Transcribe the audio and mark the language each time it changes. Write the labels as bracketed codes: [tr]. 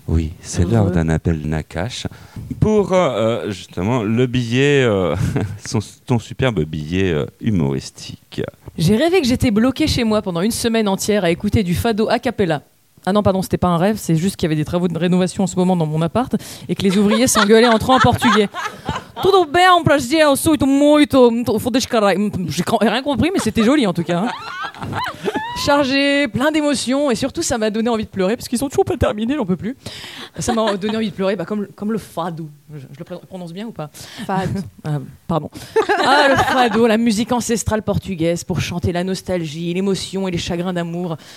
[fr] Oui, c'est l'heure d'Annabelle Nakache. Pour, justement, le billet, ton superbe billet humoristique. J'ai rêvé que j'étais bloquée chez moi pendant une semaine entière à écouter du fado a cappella. Ah non, pardon, c'était pas un rêve, c'est juste qu'il y avait des travaux de rénovation en ce moment dans mon appart et que les ouvriers s'engueulaient entre eux en portugais. [pt] Tudo bem, prazer, eu sou muito, fodes caralho. [fr] J'ai rien compris, mais c'était joli en tout cas. Hein. Chargé, plein d'émotions et surtout ça m'a donné envie de pleurer parce qu'ils sont toujours pas terminés, j'en peux plus. Ça m'a donné envie de pleurer, bah, comme le fado. Je le prononce bien ou pas? Fado. Pardon. Ah, le fado, la musique ancestrale portugaise pour chanter la nostalgie, l'émotion et les chagrins d'amour.